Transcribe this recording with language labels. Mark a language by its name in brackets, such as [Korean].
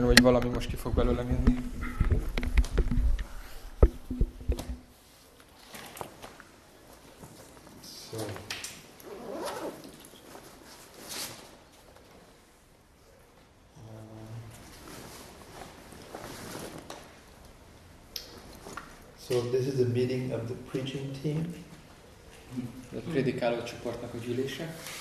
[Hungarian] hogy valami most ki fog belőle menni. [English] So this is the meeting of the preaching team. [Hungarian] A prédikáló csoportnak a gyűlése.